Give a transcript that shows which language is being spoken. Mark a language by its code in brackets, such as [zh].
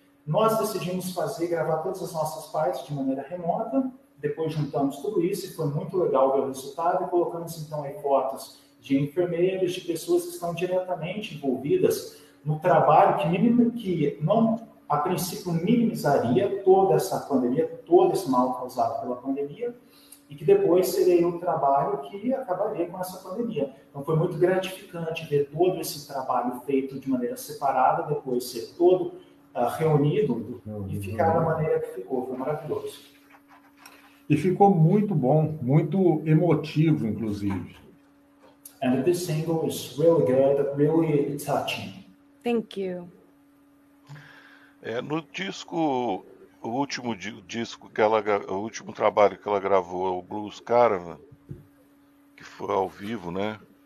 [pt] Nós decidimos gravar todas as nossas partes de maneira remota, depois juntamos tudo isso, e foi muito legal ver o resultado, e colocamos, então, aí fotos de enfermeiros, de pessoas que estão diretamente envolvidas no trabalho que não, a princípio, minimizaria toda essa pandemia, todo esse mal causado pela pandemia, e que depois seria um trabalho que acabaria com essa pandemia. Então, foi muito gratificante ver todo esse trabalho feito de maneira separada, depois ser todo reunido e ficar da maneira que ficou. Foi maravilhoso. E ficou muito bom, muito emotivo, inclusive. [en] And this single is really good, really touching. Thank you. [pt] No disco, o último disco que ela, o último trabalho que ela gravou, o Blues Caravan, que foi ao vivo, né?